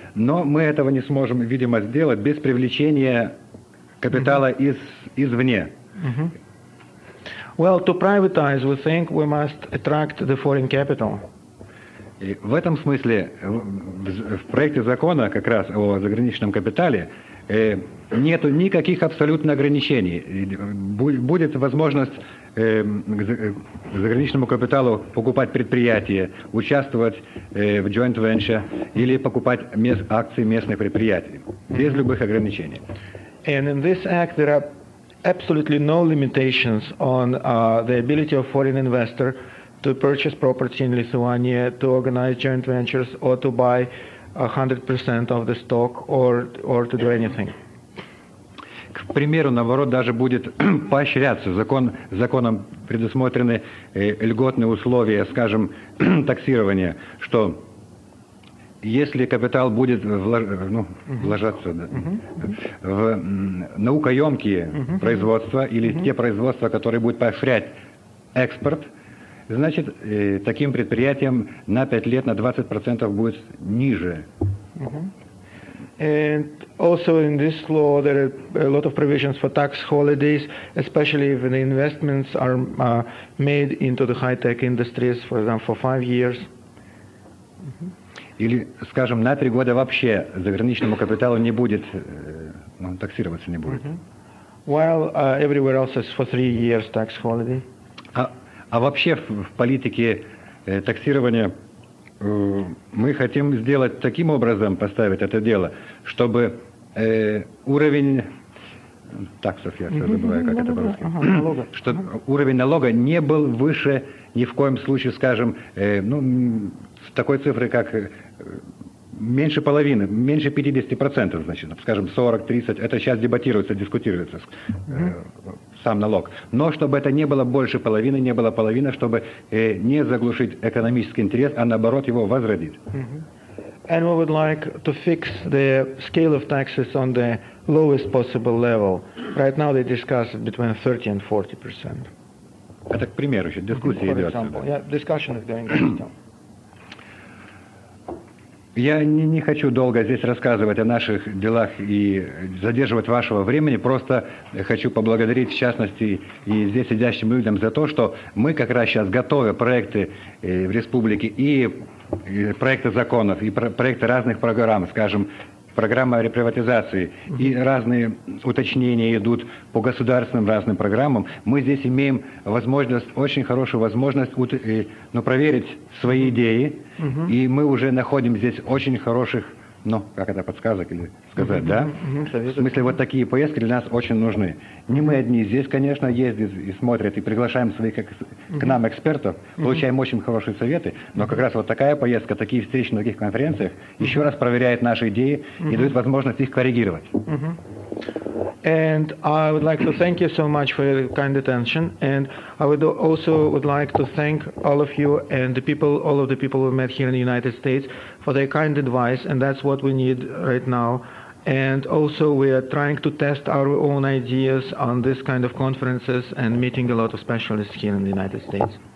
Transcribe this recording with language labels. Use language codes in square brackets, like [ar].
[ru] Но мы этого не сможем, видимо, сделать без привлечения капитала извне. [en] Well, to privatize, we think we must attract the foreign capital. [ru] И в этом смысле в проекте закона как раз о заграничном капитале нету никаких абсолютно ограничений. Будет возможность заграничному капиталу покупать предприятия, участвовать в joint venture или покупать акции местных предприятий без любых ограничений. [en] And in this act there are absolutely no limitations on the ability of foreign investor to purchase property in Lithuania, to organize joint ventures, or to buy 100% of the stock, or to do anything. [ru] К примеру, наоборот, даже будет поощряться. Законом предусмотрены льготные условия, скажем, таксирования, что если капитал будет вложаться в наукоемкие производства или те производства, которые будут поощрять экспорт, значит, таким предприятием на 5 лет на 20% будет ниже. [en] And also in this law there are a lot of provisions for tax holidays, especially if the investments are made into the high-tech industries, for example, for 5 years. [ru] Или, скажем, на 3 года вообще заграничному капиталу не будет, таксироваться не будет. [en] While everywhere else is for 3 years tax holiday. [ru] А вообще в политике таксирования мы хотим сделать таким образом, поставить это дело, чтобы уровень таксов, я все забываю, как это по-русски, что уровень налога не был выше ни в коем случае, скажем, в такой цифры, как меньше половины, меньше 50%, значит, скажем, 40-30%, это сейчас дискутируется. Сам налог. Но чтобы это не было больше половины, не было половины, чтобы не заглушить экономический интерес, а наоборот его возродить. [en] And we would like to fix the scale of taxes on the lowest possible level. Right now they discuss between 30 and 40%. [ru] Это, к примеру, еще дискуссия идет. [en] For example, yeah, discussion is going [ru] Я не хочу долго здесь рассказывать о наших делах и задерживать вашего времени, просто хочу поблагодарить, в частности, и здесь сидящим людям за то, что мы как раз сейчас готовим проекты в республике и проекта законов и проекта разных программ, скажем, программа реприватизации, и разные уточнения идут по государственным разным программам, мы здесь имеем возможность, очень хорошую возможность ну, проверить свои идеи, и мы уже находим здесь очень хороших, ну, как это, подсказок или сказать, да? В смысле, вот такие поездки для нас очень нужны. Не мы одни, здесь, конечно, ездят и смотрят, и приглашаем своих к нам экспертов, получаем очень хорошие советы, но как раз вот такая поездка, такие встречи на таких конференциях еще раз проверяет наши идеи и дает возможность их коррегировать. [en] And I would like to thank you so much for your kind attention, and I would also would like to thank all of you and the people, all of the people we met here in the United States for their kind advice, and that's what we need right now. And also we are trying to test our own ideas on this kind of conferences and meeting a lot of specialists here in the United States.